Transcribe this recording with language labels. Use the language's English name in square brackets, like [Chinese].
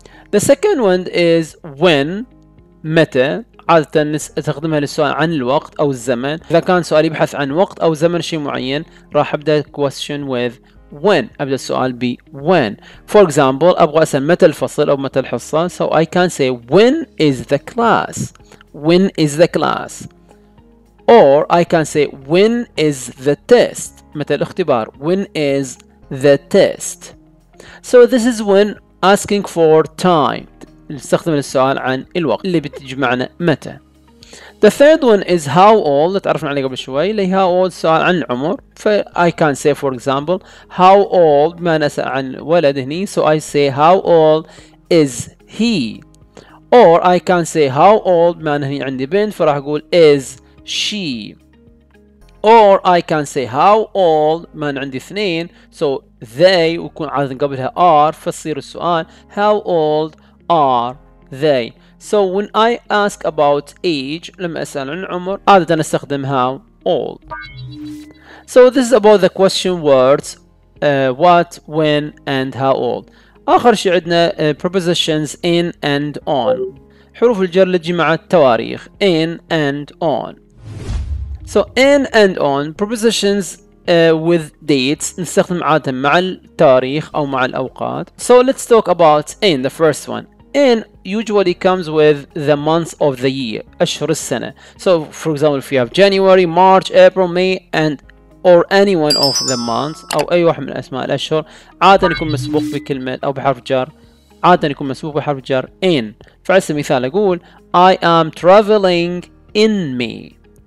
[English] The second one is when, متى. [Arabic] عادة نستخدمها للسؤال عن الوقت أو الزمن. إذا كان سؤالي يبحث عن وقت أو زمن شيء معين, راح أبدأ [English] question with when, [Arabic] أبدأ السؤال ب when. [English] For example, [Arabic] أبغى أسأل متى الفصل أو متى الحصة. [English] So I can say when is the class, when is the class. Or I can say when is the test, [Arabic] متى الاختبار. [English] When is the test. So this is when asking for time, [Arabic] نستخدم السؤال عن الوقت اللي بتجمعنا متى. [English] The third one is how old, [Arabic] تعرفنا عليه قبل شوي, اللي [English] how old, [Arabic] سؤال عن العمر. [English] I can say for example how old, [Arabic] ما نسأل عن ولد هني. [English] So I say how old is he. Or I can say how old, [Arabic] ما هني عندي بنت, فراح أقول [English] is she. Or I can say how old, [Arabic] من عندي اثنين, [English] so they, [Arabic] ويكون عادة قبلها [English] are, [Arabic] فصير السؤال [English] how old are they. So when I ask about age, [Arabic] لما أسأل عن عمر, [English] عادة نستخدم how old. So this is about the question words, what, when, and how old. [Arabic] آخر شيء عندنا [English] prepositions in and on, [Arabic] حروف الجر اللي تجي مع التواريخ, in and on. [English] So in and on, prepositions with dates, [Arabic] نستخدم عادة مع التاريخ أو مع الأوقات. [English] So let's talk about in, the first one. In usually comes with the month of the year, [Arabic] أشهر السنة. [English] So for example, if you have January, March, April, May, and or any one of the months, [Arabic] أو أي واحد من أسماء الأشهر, عادة يكون مسبوق بكلمة أو بحرف جر. عادة يكون مسبوق بحرف جر in. فعلى سبيل المثال أقول [English] I am traveling in May.